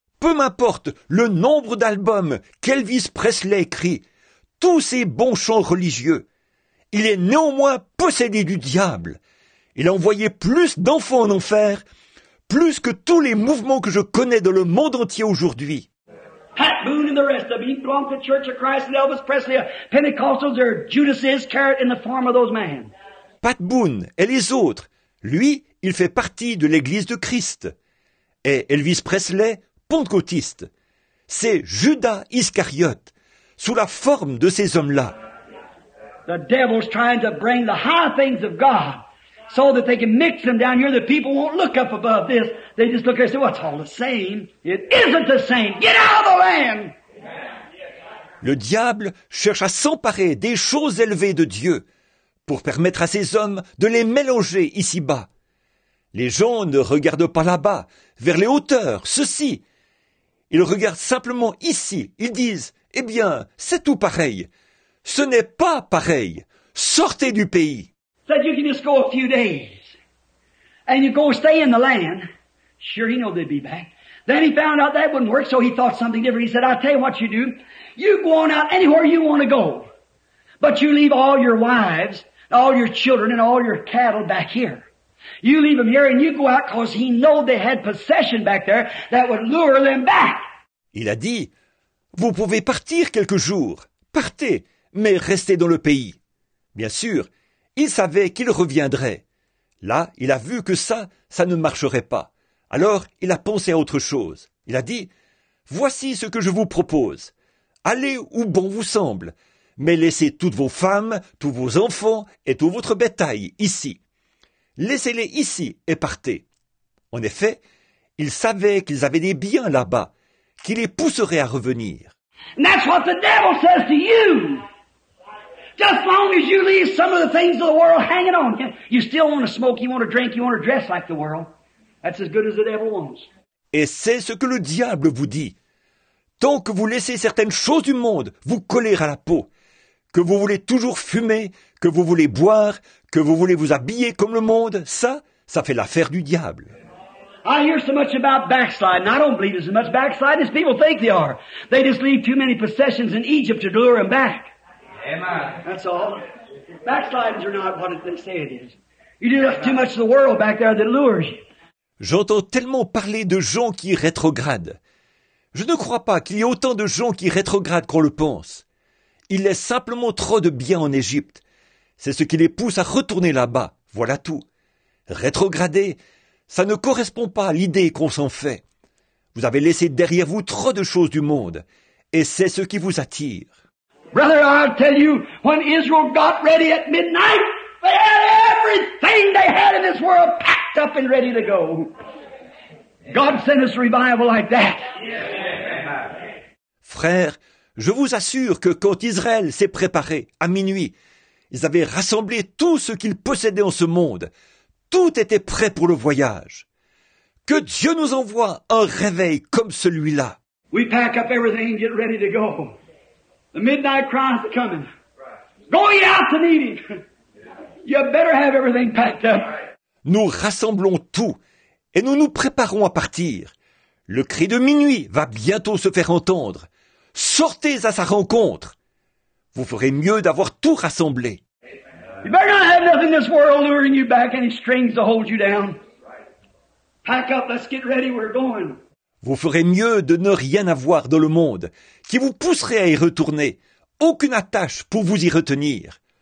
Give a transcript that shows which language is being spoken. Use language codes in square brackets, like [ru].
[fr] Peu m'importe le nombre d'albums qu'Elvis Presley écrit, tous ces bons chants religieux, il est néanmoins possédé du diable. Il a envoyé plus d'enfants en enfer, plus que tous les mouvements que je connais dans le monde entier aujourd'hui. [en] Pat Boone and the rest of them. He belonged to the Church of Christ and Elvis Presley, Pentecostals, or Judas Iscariot in the form of those men. [fr] Pat Boone et les autres. Lui, il fait partie de l'Église de Christ. Et Elvis Presley, pentecôtiste. C'est Judas Iscariot, sous la forme de ces hommes-là. [en] The devil's trying to bring the high things of God so that they can mix them down here. The people won't look up above this. They just look and say, well, it's all the same. It isn't the same. Get out of the land! [fr] Le diable cherche à s'emparer des choses élevées de Dieu pour permettre à ces hommes de les mélanger ici-bas. Les gens ne regardent pas là-bas, vers les hauteurs, ceci. Ils regardent simplement ici. Ils disent, eh bien, c'est tout pareil. Ce n'est pas pareil. Sortez du pays. [en] Said you can just go a few days, and you go stay in the land. Sure, he knew they'd be back. Then he found out that wouldn't work, so he thought something different. He said, I'll tell you what you do. You go on out anywhere you want to go, but you leave all your wives, all your children, and all your cattle back here. You leave them here, and you go out, because he knew they had possession back there that would lure them back. [fr] Il a dit, vous pouvez partir quelques jours. Partez, mais restez dans le pays. Bien sûr. Il savait qu'il reviendrait. Là, il a vu que ça ne marcherait pas. Alors, il a pensé à autre chose. Il a dit, « Voici ce que je vous propose. Allez où bon vous semble, mais laissez toutes vos femmes, tous vos enfants et tout votre bétail ici. Laissez-les ici et partez. » En effet, il savait qu'ils avaient des biens là-bas, qui les pousseraient à revenir. [en] « That's what the devil says to you. » Just long as you leave some of the things of the world hanging on, you still want to smoke, you want to drink, you want to dress like the world. That's as good as the devil wants. [fr] Et c'est ce que le diable vous dit. Tant que vous laissez certaines choses du monde vous coller à la peau, que vous voulez toujours fumer, que vous voulez boire, que vous voulez vous habiller comme le monde, ça fait l'affaire du diable. [en] I hear so much about backsliding. I don't believe there's as much backsliding as people think they are. They just leave too many possessions in Egypt to lure them back. That's all. Backsliders are not what they say it is. You do too much of the world back there that lures you. [fr] J'entends tellement parler de gens qui rétrogradent. Je ne crois pas qu'il y ait autant de gens qui rétrogradent qu'on le pense. Ils laissent simplement trop de biens en Égypte. C'est ce qui les pousse à retourner là-bas. Voilà tout. Rétrograder, ça ne correspond pas à l'idée qu'on s'en fait. Vous avez laissé derrière vous trop de choses du monde. Et c'est ce qui vous attire. [en] Brother, I'll tell you, when Israel got ready at midnight, they had everything they had in this world packed up and ready to go. God sent us a revival like that. [fr] Frère, je vous assure que quand Israël s'est préparé à minuit, ils avaient rassemblé tout ce qu'ils possédaient en ce monde. Tout était prêt pour le voyage. Que Dieu nous envoie un réveil comme celui-là. [en] We pack up everything and get ready to go. The midnight cry is coming. Go ye out to meet him. You better have everything packed up. [fr] Nous rassemblons tout et nous nous préparons à partir. Le cri de minuit va bientôt se faire entendre. Sortez à sa rencontre. Vous ferez mieux d'avoir tout rassemblé. [en] You better not have nothing in this world luring you back, any strings to hold you down. Pack up, let's get ready, we're going. [fr] Vous ferez mieux de ne rien avoir dans le monde, qui vous pousserait à y retourner. Aucune attache pour vous y retenir.